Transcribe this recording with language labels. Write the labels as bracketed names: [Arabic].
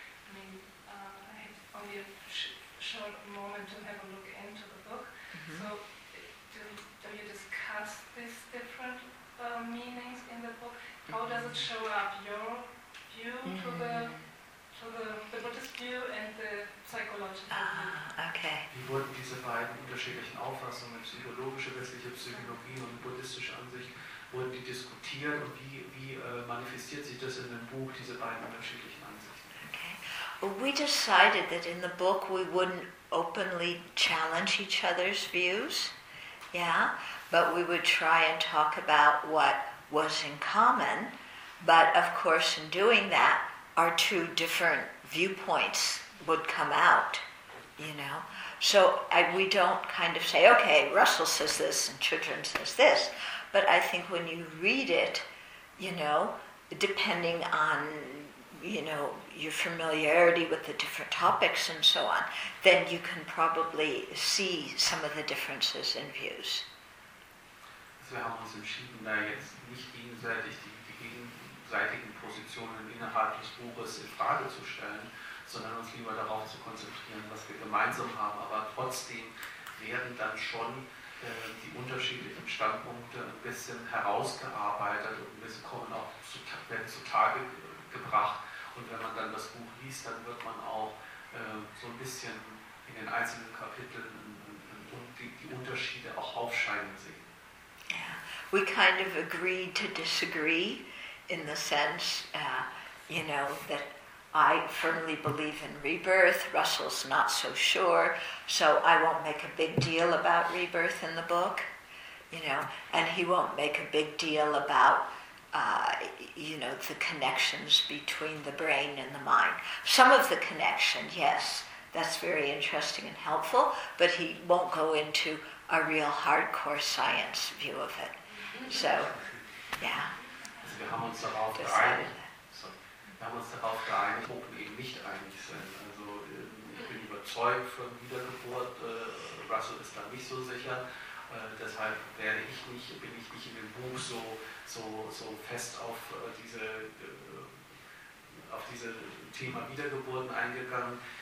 [English] I mean, I have only a short moment to have a look into the book. Mm-hmm. So, do you discuss this different meanings in the book? How does it show up, your view to the Buddhist view and the psychological view? Okay. [German] Wie wurden diese beiden unterschiedlichen Auffassungen, psychologische, westliche Psychologie und buddhistische Ansicht, wurden die diskutiert und wie manifestiert sich das in dem Buch, diese beiden unterschiedlichen Ansichten? Okay. [English] Well, we decided that in the book we wouldn't openly challenge each other's views. Yeah, but we would try and talk about what was in common. But of course, in doing that, our two different viewpoints would come out, you know. So we don't kind of say, okay, Russell says this and Chodron says this. But I think when you read it, you know, depending on, you know, your familiarity with the different topics and so on, then you can probably see some of the differences in views. [German] Also wir haben uns entschieden, da jetzt nicht gegenseitig die gegenseitigen Positionen innerhalb des Buches in Frage zu stellen, sondern uns lieber darauf zu konzentrieren, was wir gemeinsam haben. Aber trotzdem werden dann schon die unterschiedlichen Standpunkte ein bisschen herausgearbeitet und ein bisschen kommen auch zutage gebracht. Und wenn man dann das Buch liest, dann wird man auch so ein bisschen in den einzelnen Kapiteln die Unterschiede auch aufscheinen sehen. Yeah. [English] We kind of agreed to disagree in the sense, you know, that I firmly believe in rebirth, Russell's not so sure, so I won't make a big deal about rebirth in the book, you know, and he won't make a big deal about you know, the connections between the brain and the mind. Some of the connection, yes, that's very interesting and helpful, but he won't go into a real hardcore science view of it. So, yeah. [German] Also wir haben uns darauf geeinigt. Wir haben uns darauf geeinigt, ob wir eben nicht einig sind. Also ich bin überzeugt von Wiedergeburt, Russell ist da nicht so sicher. Deshalb werde ich nicht, bin ich nicht in dem Buch so fest auf diese Thema Wiedergeburten eingegangen.